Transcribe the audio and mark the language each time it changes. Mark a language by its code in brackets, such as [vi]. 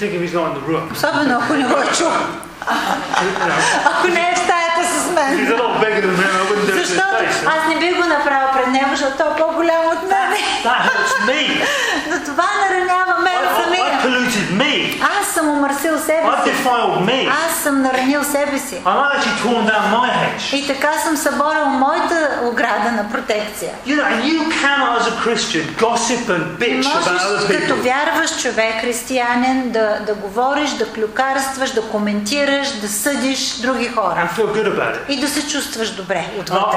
[en] Think if he's not in the room. [bg] Особено ако не го чу. Ако не е в стаята с мен. [en] He's a lot bigger than me. I wouldn't do it. [bg] Защото аз не бих го направил пред него, защото той е по-голям от мен. [en] That hurts me. [bg] Но това наранява мен самия. [en] I polluted me. [bg] Аз съм омърсил себе си. [en] I defiled me. [bg] Аз съм наранил себе си. [en] I actually torn down my hedge. [bg] И така съм съборил моята ограда на протекция. [en] You know, and you cannot as a Christian gossip and bitch about other people. [bg] Можеш като вярваш човек, християнин, да говориш, да клюкарстваш, да коментираш, да съдиш други хора. [en] And feel good about it. [bg] И да се чувстваш добре отвътре.